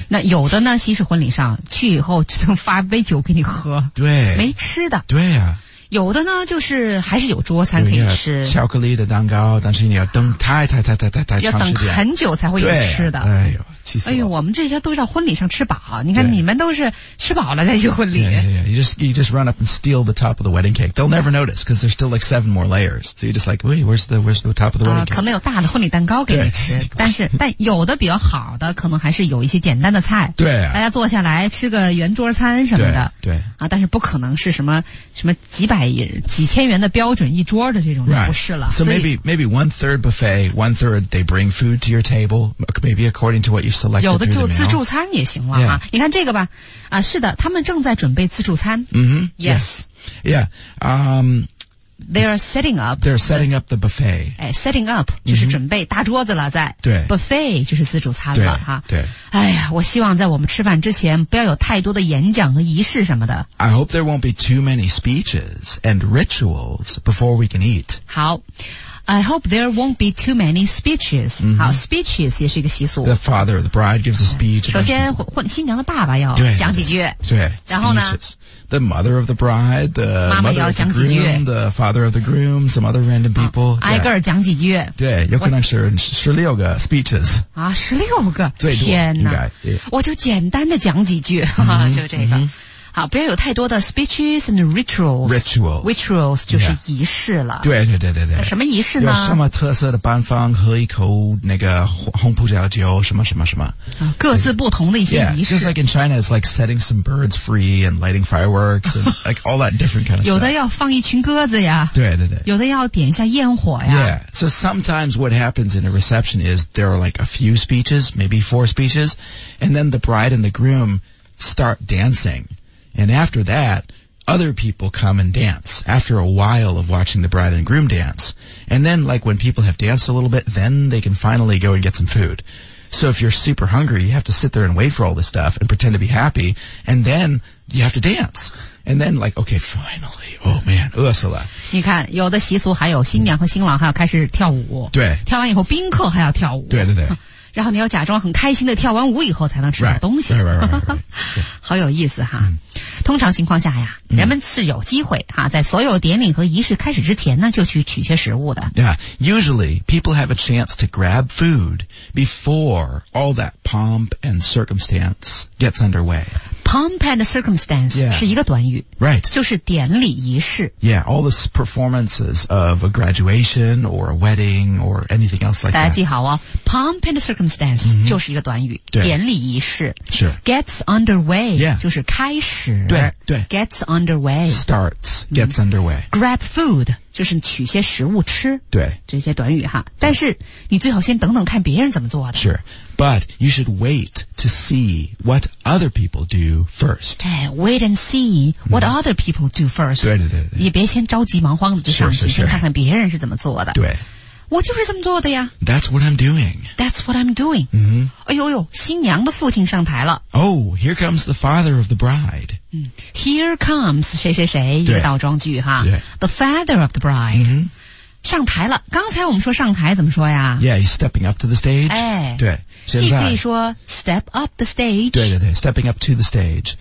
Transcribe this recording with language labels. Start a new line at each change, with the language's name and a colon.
Chinese: 那有的呢西式婚礼上去以后只能发杯酒给你喝对没吃的对啊有的呢就是还是有桌餐可以吃巧克力的蛋糕但是你要等太长时间要等很久才会有吃的对哎呦气死了哎呦我们这些都叫婚礼上吃饱你看你们都是吃饱了再去婚礼
English: you just run up and steal the top of the wedding cake they'll never notice because there's still like seven more layers so you're just like wait where's the top of the wedding cake
Chinese: 可能有大的婚礼蛋糕给你吃但有的比较好的可能还是有一些简单的菜对、啊、大家坐下来吃个圆桌餐什么的对啊，但是不可能是什么几千元的标准一桌的这种就不是了、
English: right. So maybe one third buffet one third they bring food to your table maybe according to what you selected
Chinese: 有的就自助餐也行了、
English: yeah.
Chinese: 啊、你看这个吧、啊、是的他们正在准备自助餐、 mm-hmm.
English: Yes Yeah, yeah.、 They're setting up the buffet. Setting up
Chinese: 就是准备搭桌子了在。对。 Buffet 就是自助餐了哈。对。哎呀我希望在我们吃饭之前不要有太多的演讲和仪式什么的。
English: I hope there won't be too many speeches and rituals before we can eat.
Chinese: 好。
English: I hope there won't be too many speeches.、 Mm-hmm.
Chinese: 好 ,speeches 也是一个习俗。
English: The father, the bride gives a speech.
Chinese: 首先新娘的爸爸要讲几句。对。然后呢
English: speeches. The mother of the bride, the mother of the groom, the father of the groom, some other random people.
Chinese: 挨个儿讲几句。对，有可能是十六个 speeches。啊，十六个，最多应该。我就简单的讲几句，就这个。好，不要有太多的
English: speeches and rituals。 Rituals
Chinese: 就是仪式了。
English: Yeah.
Chinese: 对。什么仪式呢？有什么特色的办法？喝一口那个红葡萄酒，什么。各自不同的一些仪式。
English: Yeah. Just like in China, it's like setting some birds free and lighting fireworks and like all that different kind of stuff.
Chinese: 有的要放一群鸽子呀。对。有的要点一下焰火呀。
English: Yeah. So sometimes what happens in a reception is there are like a few speeches, maybe four speeches, and then the bride and the groom start dancing. And after that, other people come and dance after a while of watching the bride and groom dance. And then, like, when people have danced a little bit, then they can finally go and get some food. So if you're super hungry, you have to sit there and wait for all this stuff and pretend to be happy. And then you have to dance. And then, like, okay, finally. Oh, man. Ursula.
Chinese: 你看有的习俗还有新娘和新郎还要开始跳舞。对。跳完以后宾客还要跳舞。对。然后你要假装很开心的跳完舞以后才能吃到东西。
English: Right.
Chinese: 好有意思哈。Mm. 通常情况下呀人们是有机会哈在所有典礼和仪式开始之前呢就去取些食物的。
English: Yeah, usually people have a chance to grab food before all that pomp and circumstance gets underway. Pomp and circumstance、 yeah.
Chinese: 是一个短语。
English: Right.
Chinese: 就是典礼仪式。
English: Yeah, all the performances of a graduation or a wedding or anything else like that.
Chinese: 大家记好哦 ,pomp and circumstance、 mm-hmm. 就是一个短语。对。典礼仪式。是。
English: Gets underway. Yeah.
Chinese: 就是开始。对。
English: Gets underway. Starts. Gets underway.、
Chinese: Mm-hmm.
English: Grab food.
Chinese: 就是取些食物吃。对。这些短语哈。但是你最好先等等看别人怎么做的。
English: Sure. But you should wait to see what other people do first. Wait and see what other people do first.
Chinese: 对。也别先着急忙慌的就上去先看看别人是怎么做的。对。我就是这么做的呀。
English: That's what I'm doing.、Mm-hmm.
Chinese: 哎呦呦新娘的父亲上台了。
English: Oh, here comes the father of the bride. Here comes
Chinese: 谁谁谁一个倒装句哈
English: The father of the bride、 mm-hmm.
Chinese: 上台了刚才我们说上台怎么说呀
English: Yeah, he's stepping up to the stage、哎、
Chinese: 对既可以说
English: step up the stage 对 stepping up to the stage